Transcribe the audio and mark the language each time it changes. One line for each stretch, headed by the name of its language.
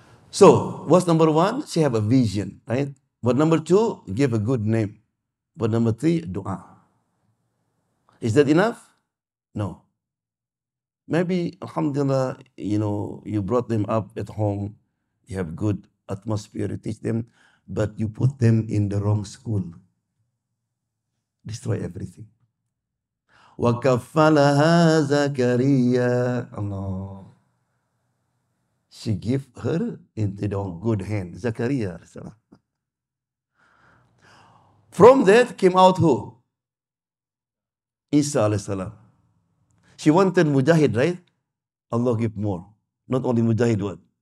English: So, what's number one? She have a vision, right? What number two? Give a good name. What number three? Dua. Is that enough? No. Maybe, alhamdulillah, you know, you brought them up at home. You have good atmosphere to teach them. But you put them in the wrong school. Destroy everything.
Arabic: وَكَفَّلَهَا زَكَرِيَّا Allah.
English: She give her into the good hand. Zakaria. From that came out who? Isa alayhi salam. She wanted Mujahid, right? Allah give more. Not only Mujahid, what?